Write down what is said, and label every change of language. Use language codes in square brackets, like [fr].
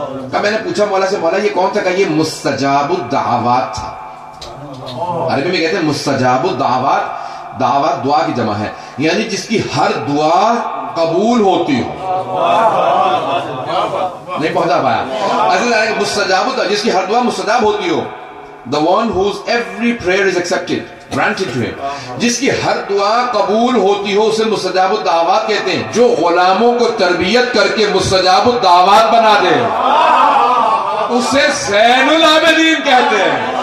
[ur] کہا میں نے پوچھا مولا سے, مولا یہ کون تھا؟ کہا یہ مستجاب الدعوات تھا. عربی میں کہتے ہیں مستجاب الدعوات, دعوات دعا کی جمع ہے, یعنی جس کی ہر دعا قبول ہوتی ہو. نہیں پہنچا پایا مستجاب, جس کی ہر دعا مستجاب ہوتی ہو. [en] The one whose every prayer is accepted, granted to him. [ur] جس کی ہر دعا قبول ہوتی ہو اسے مستجاب الدعوات کہتے ہیں. جو غلاموں کو تربیت کر کے مستجاب الدعوات بنا دے اسے زین العابدین کہتے ہیں.